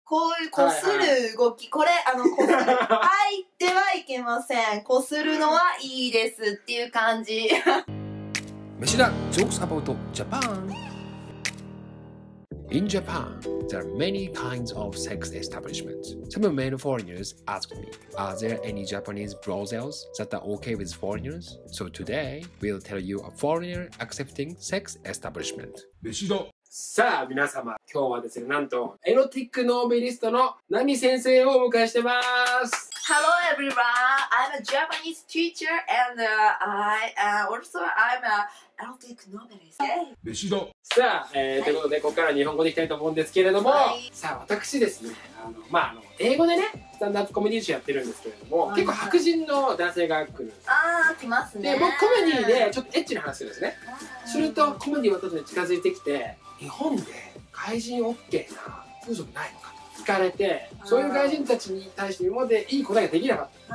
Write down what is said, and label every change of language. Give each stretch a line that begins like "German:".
Japanese: こういう擦る動き、これ、擦る。入ってはいけません。擦るのはいいですっていう感じ。
English: Meshida, jokes about Japan. In Japan, there are many kinds of sex establishments. Some male foreigners asked me, are there any Japanese brothels that are okay with foreigners? So today, we'll tell you a foreigner accepting sex establishment. Meshida.
Japanese: さあ皆様、今日はですね、なんとエロティックノーベリストのナミ先生をお迎えしてます。
English: Hello everyone, I'm a Japanese teacher and I also I'm a erotic novelist.
Japanese: メシダ。さあ、ということで、ここから日本語でいきたいと思うんですけれども、はい、さあ私ですね、英語でね、スタンダップコメディーションやってるんですけれども、はい、結構白人の男性が来るんです。ああ来ますね。で、僕コメディーでちょっとエッチな話するんですね。するとコメディーは私に近づいてきて、日本で外人 OK な風俗ないのかと聞かれて、そういう外人たちに対して今までいい答えができなかった、